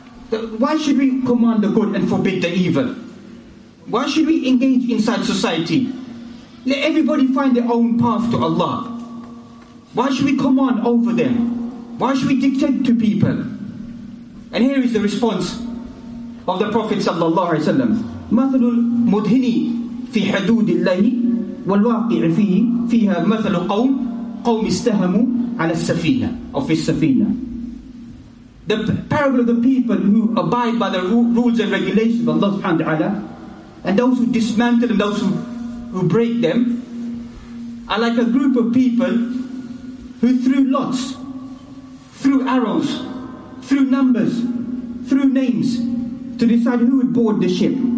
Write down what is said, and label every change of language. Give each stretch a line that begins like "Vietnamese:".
English: That why should we command the good and forbid the evil? Why should we engage inside society? Let everybody find their own path to Allah. Why should we command over them? Why should we dictate to people? And here is the response of the Prophet sallallahu alaihi wasallam.
Arabic: مثل المدهن في حدود الله والواقع فيه فيها مثل قوم قوم استهموا على السفينة أو في السفينة.
English: The parable of the people who abide by the rules and regulations of Allah subhanahu wa ta'ala, and those who dismantle and those who break them are like a group of people who threw lots, threw arrows, threw numbers, threw names to decide who would board the ship.